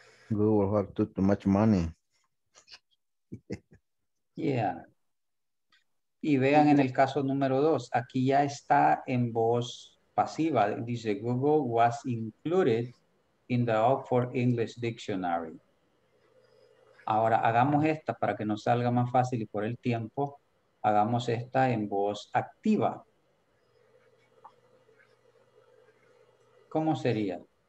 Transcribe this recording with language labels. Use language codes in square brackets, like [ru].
[en] Google has too much money. Yeah. [es] Y vean en el caso número dos, aquí ya está en voz pasiva. [en] Dice Google was included in the Oxford English Dictionary. [es] Ahora hagamos esta para que nos salga más fácil y por el tiempo, hagamos esta en voz activa. ¿Cómo sería?